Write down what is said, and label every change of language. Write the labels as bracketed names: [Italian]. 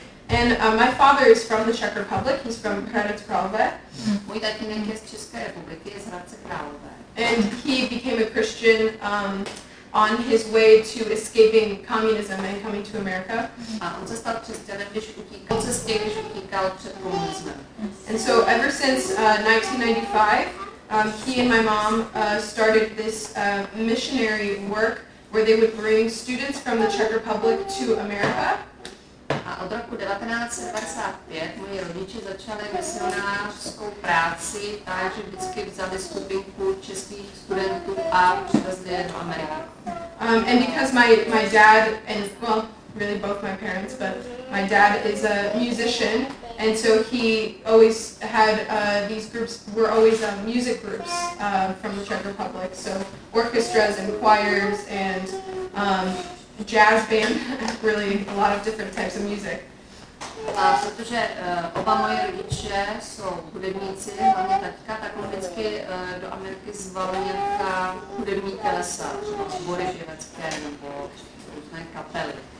[English] And my father is from the Czech Republic. He's from Hradec Králové. [Czech] Můj tatínek je z České republiky, je z Hradce Králové. [English] And he became a Christian on his way to escaping communism and coming to America. And so ever since 1995, he and my mom started this missionary work where they would bring students from the Czech Republic to America. [Czech] A od roku 1995 moji rodiče začali misionářskou práci, takže vždycky vzali skupinku českých studentů a přivezli je do Ameriky. [English] And because my dad and well really both my parents, but my dad is a musician, and so he always had these groups were always music groups from the Czech Republic, so orchestras and choirs and jazz band, really a lot of different types of music. [Czech] A protože oba moji rodiče jsou hudebníci, hlavně taťka, tak on vždycky do Ameriky zval nějaká hudební tělesa, sbory živecké nebo různé kapely.